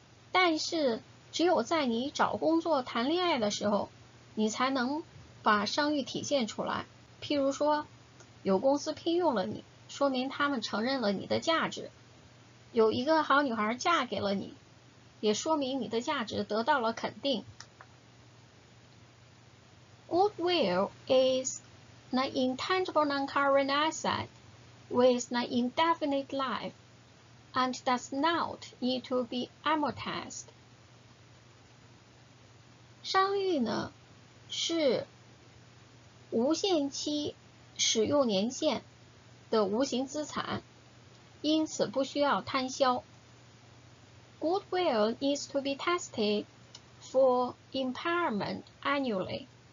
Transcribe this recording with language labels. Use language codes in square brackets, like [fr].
[zh] 但是只有在你找工作谈恋爱的时候，你才能把商誉体现出来。譬如说有公司聘用了你，说明他们承认了你的价值，有一个好女孩嫁给了你，也说明你的价值得到了肯定。 [en] Goodwill is an intangible non-current asset with an indefinite life and does not need to be amortized. [zh] 商誉呢，是无限期使用年限的无形资产，因此不需要摊销。 [en] Goodwill needs to be tested for impairment annually.